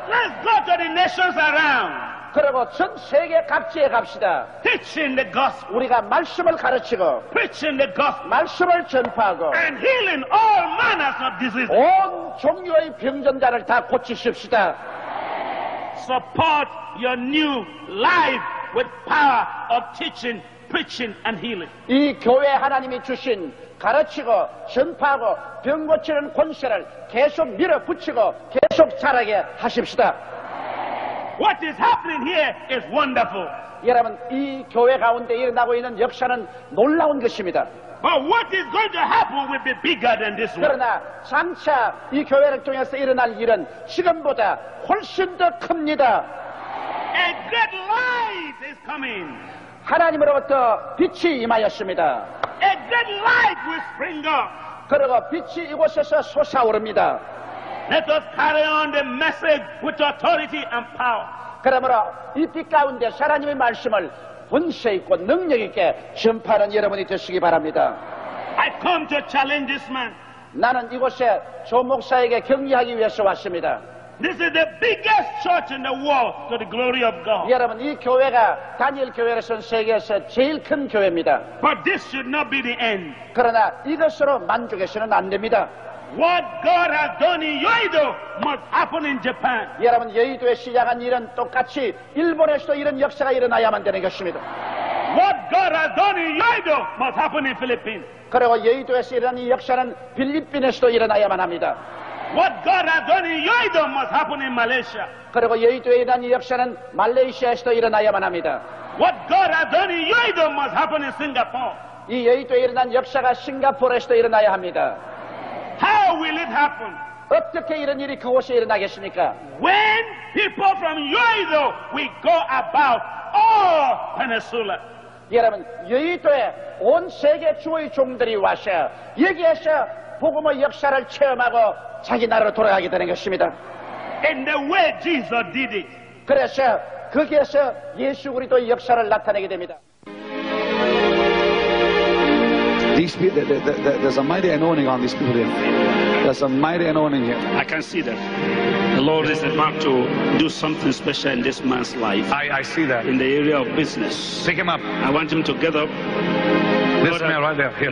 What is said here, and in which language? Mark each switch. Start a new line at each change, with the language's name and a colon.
English: Let's go to the nations around.
Korean: 그리고 전 세계 각지에 갑시다.
English: Teaching the gospel.
Korean: 우리가 말씀을 가르치고
English: Preaching the gospel.
Korean: 말씀을 전파하고
English: And healing all manners of diseases.
Korean: 온 종류의 병전자를 다 고치십시다.
English: Support your new life with power of teaching, preaching, and healing.
Korean: 이 교회 하나님이 주신 가르치고 전파하고 병 고치는 권세를 계속 밀어붙이고 계속 자라게 하십시다.
English: What is happening here is wonderful.
Korean: 여러분 이 교회 가운데 일어나고 있는 역사는 놀라운 것입니다.
English: But what is going to happen will be bigger than this one.
Korean: 그러나 장차 이 교회를 통해서 일어날 일은 지금보다 훨씬 더 큽니다.
English: A great light is coming.
Korean: 하나님으로부터 빛이 임하였습니다.
English: A great light will spring up.
Korean: 그리고 빛이 이곳에서 솟아오릅니다.
English: Let us carry on the message with authority and power.
Korean: 그러므로 이 빛 가운데 하나님의 말씀을 권세 있고 능력 있게 전파하는 여러분이 되시기 바랍니다.
English: I come to challenge this man.
Korean: 나는 이곳에 조 목사에게 격려하기 위해서 왔습니다.
English: This is the biggest church in the world to the glory of God.
Korean: 여러분 이 교회가 다니엘 교회로선 세계에서 제일 큰 교회입니다.
English: But this should not be the end.
Korean: 그러나 이것으로 만족해서는 안 됩니다.
English: What God has done in Yeouido must happen in Japan.
Korean: 여러분 여의도에 시작한 일은 똑같이 일본에서도 이런 역사가 일어나야만 되는 것입니다.
English: What God has done in Yeouido must happen in Philippines.
Korean: 그리고 여의도에서 일어난 이 역사는 필리핀에서도 일어나야만 합니다.
English: What God has done in Yeouido must happen in Malaysia.
Korean: 그리고 여의도에 일어난 이 역사는 말레이시아에서도 일어나야만 합니다.
English: What God has done in Yeouido must happen in Singapore.
Korean: 이 여의도에 일어난 역사가 싱가포르에서도 일어나야 합니다.
English: How will it happen?
Korean: 어떻게 이런 일이 그곳에 일어나겠습니까?
English: When people from Yeouido will go about all peninsula.
Korean: 여러분, 여의도에 온 세계 주의 종들이 와서 여기에서 복음의 역사를 체험하고 자기 나라로 돌아가게 되는 것입니다.
English: In the way Jesus did it.
Korean: 그래서 거기에서 예수 그리스도의 역사를 나타내게 됩니다.
English: These people, there's a mighty anointing on these people here. There's a mighty anointing here. I can see that. The Lord is about to do something special in this man's life. I see that. In the area of business. Pick him up. I want him to get up. This man right there. Here.